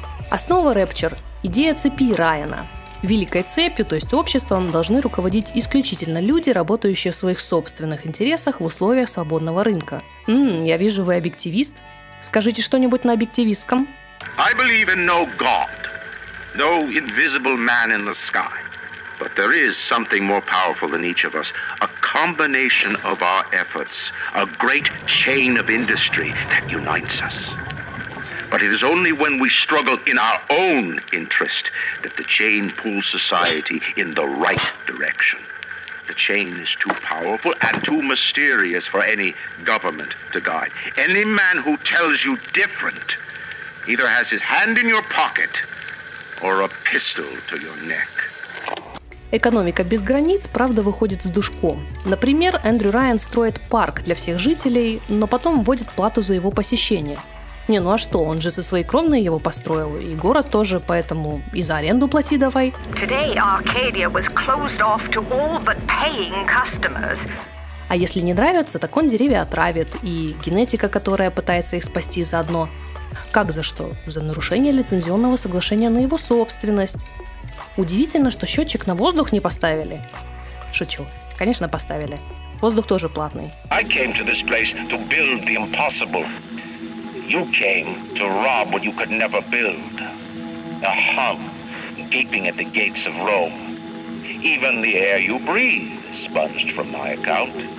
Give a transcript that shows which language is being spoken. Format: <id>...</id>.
<ru>Основа Рэпчер – идея цепи Райана. Великой цепью, то есть обществом, должны руководить исключительно люди, работающие в своих собственных интересах в условиях свободного рынка. Я вижу, вы объективист. Скажите что-нибудь на объективистском.</ru> <en>I believe in no God, no invisible man in the sky. But there is something more powerful than each of us. A combination of our efforts, a great chain of industry that unites us. But it is only when we struggle in our own interest that the chain pulls society in the right direction. The chain is too powerful and too mysterious for any government to guide. Any man who tells you different either has his hand in your pocket or a pistol to your neck.</en> <ru>Экономика без границ, правда, выходит с душком. Например, Эндрю Райан строит парк для всех жителей, но потом вводит плату за его посещение. Не, ну а что, он же за свои кровные его построил, и город тоже, поэтому и за аренду плати давай.</ru> <en>Today Arcadia was closed off to all but paying customers.</en> <ru>А если не нравится, так он деревья отравит, и генетика, которая пытается их спасти заодно. Как за что? За нарушение лицензионного соглашения на его собственность. Удивительно, что счетчик на воздух не поставили. Шучу. Конечно, поставили. Воздух тоже платный.</ru> <en>I came to this place to build the impossible. You came to rob what you could never build. A hum gaping at the gates of Rome. Even the air you breathe sponged from my account.</en>